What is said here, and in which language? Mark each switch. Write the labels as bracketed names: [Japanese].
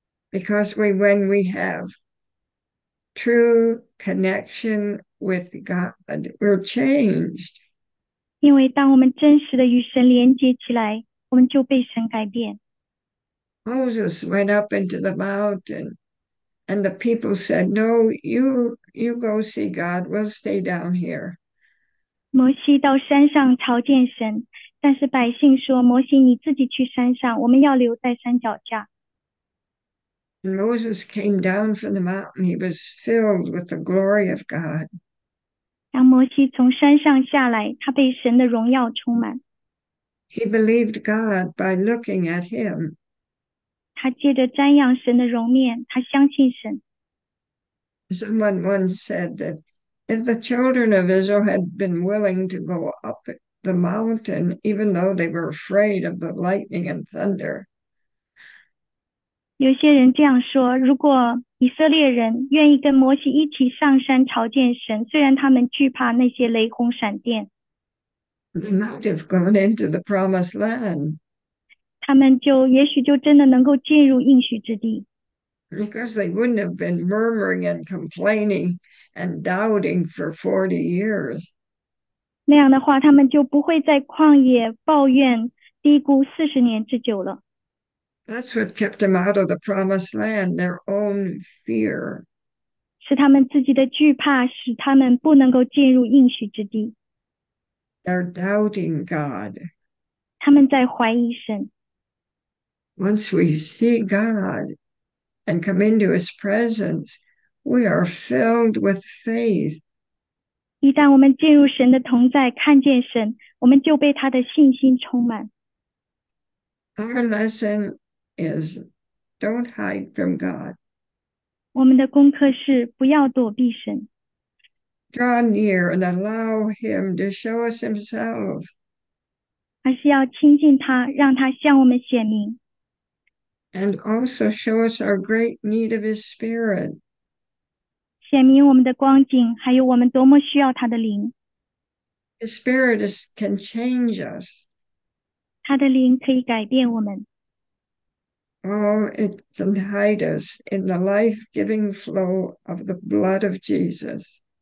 [English] Because when we have true connection with God, we're changed. [Chinese] 因为当我们真实的与神连接起来，我们就被神改变。 [English] Moses went up into the mountain, and the people said, No, you go see God, we'll stay down here. [Chinese] 摩西到山上朝见神，但是百姓说：“摩西，你自己去山上，我们要留在山脚下。 [English] When Moses came down from the mountain, he was filled with the glory of God. [Chinese] ”当摩西从山上下来，他被神的荣耀充满。 [English] He believed God by looking at him. [Chinese] 他借着瞻仰神的容面，他相信神。 [English] Someone once said that if the children of Israel had been willing to go up the mountain, even though they were afraid of the lightning and thunder. [Chinese] 有些人这样说，如果以色列人愿意跟摩西一起上山朝见神，虽然他们惧怕那些雷轰闪电， [English] They might have gone into the promised land [Chinese] 他们就也许就真的能够进入应许之地。 [English] because they wouldn't have been murmuring and complaining and doubting for 40 years. [Chinese] 那样的话，他们就不会在旷野抱怨低谷40年之久了。 [English] That's what kept them out of the promised land, their own fear. [Chinese] 是他们自己的惧怕，使他们不能够进入应许之地。 [English] They're doubting God. [Chinese] 他们在怀疑神。 [English] Once we see God and come into His presence, we are filled with faith. [Chinese] 一旦我们进入神的同在，看见神，我们就被他的信心充满。 [English] Our lesson is don't hide from God. [Chinese] 我们的功课是不要躲避神。 [English] Draw near and allow him to show us himself. [Chinese] 还是要亲近他，让他向我们显明。 [English] And also show us our great need of his spirit. [Chinese] 显明我们的光景，还有我们多么需要他的灵。 [English] His spirit can change us. [Chinese] 他的灵可以改变我们。 [English] Oh, it can hide us in the life-giving flow of the blood of Jesus.